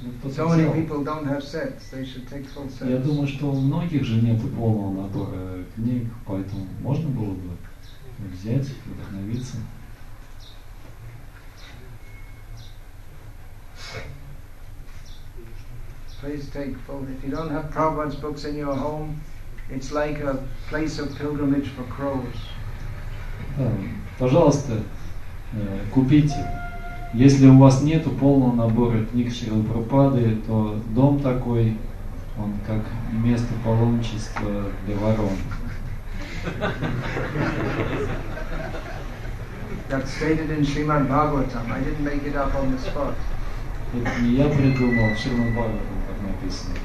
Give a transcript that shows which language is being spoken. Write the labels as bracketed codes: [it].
[en] So many people don't have sets, they should take full sets. [ru] Я думаю, что у многих же нет полного набора книг, поэтому можно было бы взять, вдохновиться. [en] Please take full. If you don't have Prabhupada's books in your home, it's like a place of pilgrimage for crows. [ru] Пожалуйста, купите. Если у вас нету полного набора книг Шрилы Прабхупады, то дом такой, он как место паломничества для ворон. [en] That's stated in Shrimad Bhagavatam. I didn't make it up on the spot. [ru] Это не я придумал, Шримад Бхагаватам так написано.